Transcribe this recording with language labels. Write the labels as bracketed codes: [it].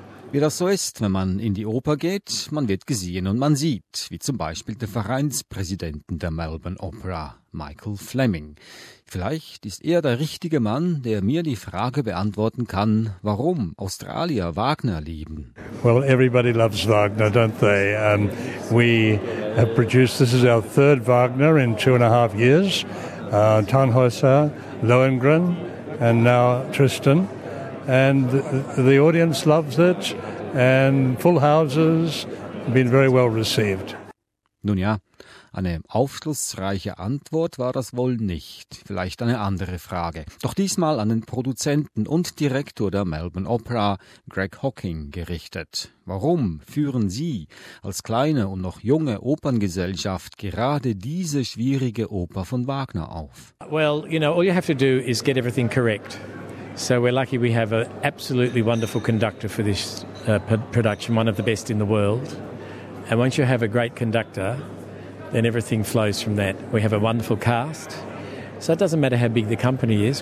[de] Wie das so ist, wenn man in die Oper geht, man wird gesehen und man sieht, wie zum Beispiel den Vereinspräsidenten der Melbourne Opera, Michael Fleming. Vielleicht ist er der richtige Mann, der mir die Frage beantworten kann, warum Australier Wagner lieben. [en] Well, everybody loves Wagner, don't they? We have produced, this is our third Wagner in 2.5 years. Tannhäuser, Lohengrin and now Tristan. And the audience loves it, and full houses been very well received. [de] Nun ja, eine aufschlussreiche Antwort war das wohl nicht. Vielleicht eine andere Frage. Doch diesmal an den Produzenten und Direktor der Melbourne Opera, Greg Hocking, gerichtet. Warum führen Sie als kleine und noch junge Operngesellschaft gerade diese schwierige Oper von Wagner auf? [en] Well, you know, all you have to do is get everything correct. So we're lucky we have an absolutely wonderful conductor for this production, one of the best in the world. And once you have a great conductor, then everything flows from that. We have a wonderful cast. So it doesn't matter how big the company is.